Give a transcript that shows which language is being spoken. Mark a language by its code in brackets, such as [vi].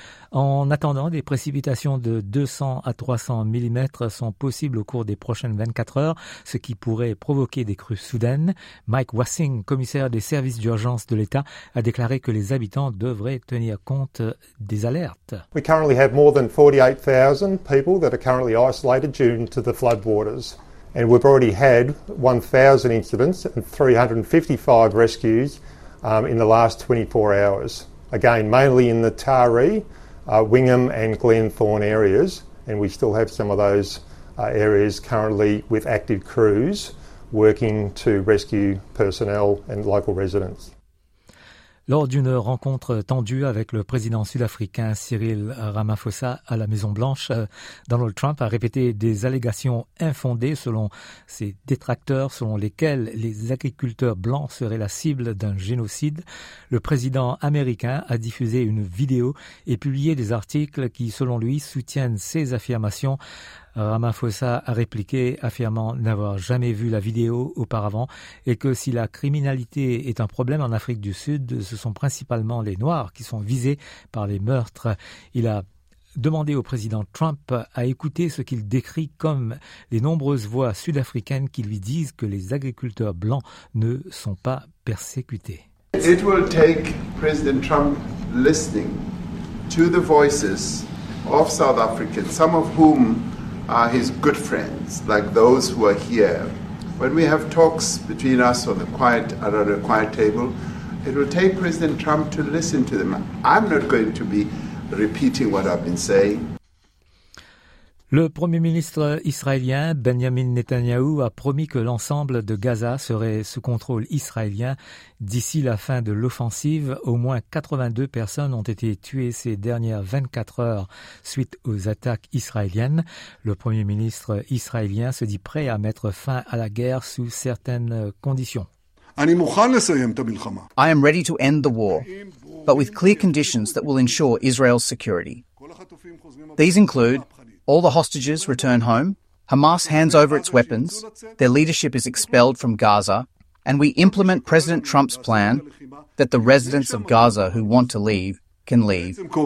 [fr] En attendant, des précipitations de 200 à 300 mm sont possibles au cours des prochaines 24 heures, ce qui pourrait provoquer des crues soudaines. Mike Wassing, commissaire des services d'urgence de l'État, a déclaré que les habitants devraient tenir compte des alertes. [en] We currently have more than 48,000 people that are currently isolated due to the floodwaters. And we've already had 1,000 incidents and 355 rescues in the last 24 hours. Again, mainly in the Taree, Wingham and Glenthorne areas, and we still have some of those areas currently with active crews working to rescue personnel and local residents. [fr] Lors d'une rencontre tendue avec le président sud-africain Cyril Ramaphosa à la Maison-Blanche, Donald Trump a répété des allégations infondées selon ses détracteurs, selon lesquelles les agriculteurs blancs seraient la cible d'un génocide. Le président américain a diffusé une vidéo et publié des articles qui, selon lui, soutiennent ses affirmations. Ramaphosa a répliqué, affirmant n'avoir jamais vu la vidéo auparavant et que si la criminalité est un problème en Afrique du Sud, ce sont principalement les Noirs qui sont visés par les meurtres. Il a demandé au président Trump à écouter ce qu'il décrit comme les nombreuses voix sud-africaines qui lui disent que les agriculteurs blancs ne sont pas persécutés. [en] It will take President Trump listening to the voices of South Africans, some of whom are his good friends, like those who are here. When we have talks between us at a quiet table, it will take President Trump to listen to them. I'm not going to be repeating what I've been saying. [fr] Le Premier ministre israélien Benjamin Netanyahou a promis que l'ensemble de Gaza serait sous contrôle israélien d'ici la fin de l'offensive. Au moins 82 personnes ont été tuées ces dernières 24 heures suite aux attaques israéliennes. Le Premier ministre israélien se dit prêt à mettre fin à la guerre sous certaines conditions. [en] I am ready to end the war. but with clear conditions that will ensure Israel's security. These include all the hostages return home, Hamas hands over its weapons, their leadership is expelled from Gaza, and we implement President Trump's plan that the residents of Gaza who want to leave can leave.